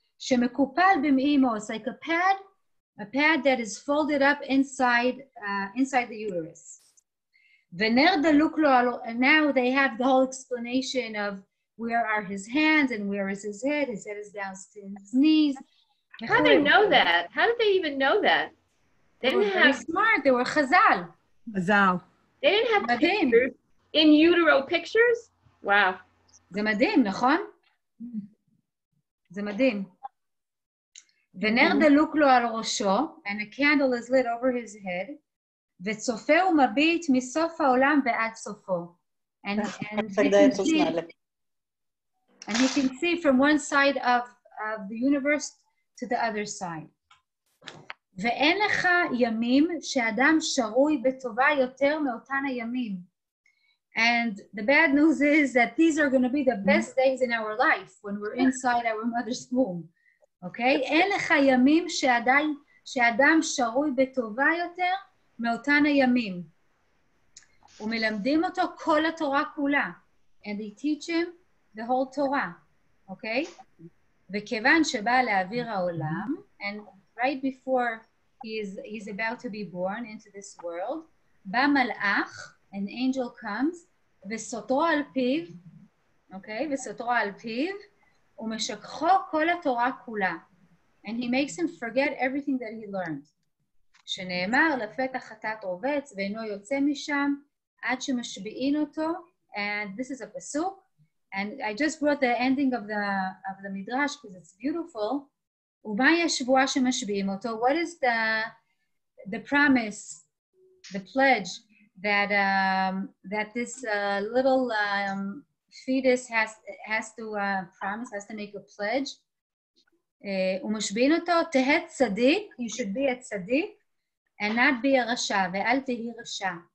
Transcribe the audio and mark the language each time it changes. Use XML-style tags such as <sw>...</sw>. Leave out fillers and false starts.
<he>שמקופל במעי אמו,</he> <en>it's like a pad. A pad that is folded up inside the uterus.</en> <he>Vener daluk lo,</he> <en>and now they have the whole explanation of where are his hands and where is his head. His head is down to his knees. How do they know that? How did they even know that? They didn't have smart. They were chazal. Chazal. They didn't have madim in utero pictures. Wow.</en> <he>זה מדהים, נכון? זה מדהים. ונר דלוק לו על ראשו,</he> <en>and a candle is lit over his head,</en> <he>וצופה ומבית מסוף העולם ועד סופו.</he> <en>And he can see from one side of the universe to the other side.</en> <he>ואין לך ימים שאדם שרוי בטובה יותר מאותן הימים.</he> <en>And the bad news is that these are going to be the best days in our life when we're inside our mother's womb.</en> <he>אוקיי? אין לך ימים שאדם שרוי בטובה יותר מאותן הימים. ומלמדים אותו כל התורה כולה.</he> <en>And they teach him the whole Torah.</en> <he>אוקיי? וכיוון שבא לאוויר העולם,</he> <en>and right before he's about to be born into this world,</en> <he>בא מלאך,</he> <en>an angel comes,</en> <he>וסותרו על פיו, אוקיי? וסותרו על פיו, ומשכחו כל התורה כולה.</he> <en>And he makes him forget everything that he learned.</en> <he>שנאמר לפתח חטאת רובץ ואינו יוצא משם עד שמשביעין אותו.</he> <en>And this is a pasuk. And I just brought the ending of the midrash because it's beautiful.</en> <he>ומהי השבועה שמשביעים אותו?</he> <en>What is the promise, the pledge that that this little fetus has to promise, has to make a pledge</en> <he>ומשביעין אותו, תהה צדיק,</he> <en>you should be a</en> <he>צדיק, ענת בי הרשע, ואל תהי רשע.</he>